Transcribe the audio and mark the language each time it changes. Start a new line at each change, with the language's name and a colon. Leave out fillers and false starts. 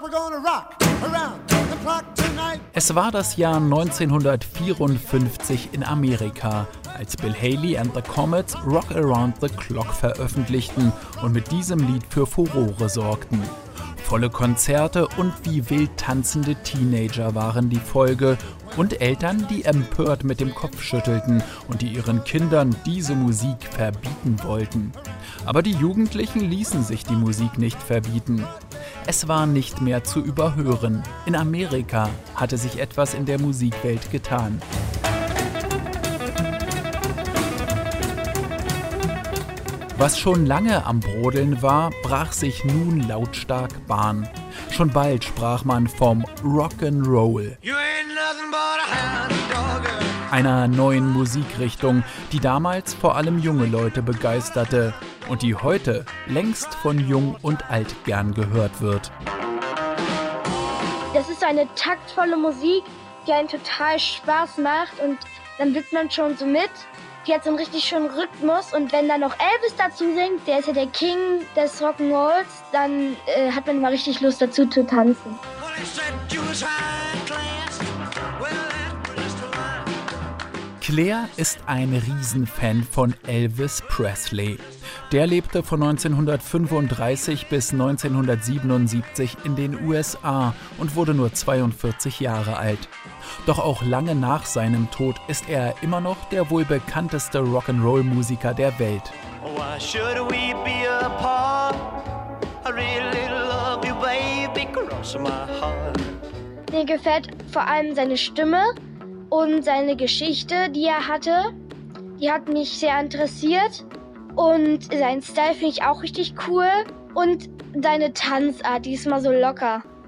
English: We're gonna rock around the clock tonight.
German: Es war das Jahr 1954 in Amerika, als Bill Haley and the Comets Rock Around the Clock veröffentlichten und mit diesem Lied für Furore sorgten. Volle Konzerte und wie wild tanzende Teenager waren die Folge und Eltern, die empört mit dem Kopf schüttelten und die ihren Kindern diese Musik verbieten wollten. Aber die Jugendlichen ließen sich die Musik nicht verbieten. Es war nicht mehr zu überhören. In Amerika hatte sich etwas in der Musikwelt getan. Was schon lange am Brodeln war, brach sich nun lautstark Bahn. Schon bald sprach man vom Rock'n'Roll.
English: You ain't nothing but a hound dog.
German: Einer neuen Musikrichtung, die damals vor allem junge Leute begeisterte und die heute längst von Jung und Alt gern gehört wird. Das ist eine taktvolle Musik, die einen total Spaß macht und dann wird man schon so mit. die hat so einen richtig schönen Rhythmus. Und wenn dann noch Elvis dazu singt, der ist ja der King des Rock'n'Rolls, dann hat man immer richtig Lust dazu zu tanzen. Claire ist ein Riesenfan von Elvis Presley. Der lebte von 1935 bis 1977 in den USA und wurde nur 42 Jahre alt. Doch auch lange nach seinem Tod ist er immer noch der wohl bekannteste Rock'n'Roll-Musiker der Welt.
English: Why should we be apart? I really love you, baby, cross my heart.
German: Mir gefällt vor allem seine Stimme und seine Geschichte, die er hatte. Die hat mich sehr interessiert. Und sein Style finde ich auch richtig cool. Und deine Tanzart, die ist mal so locker.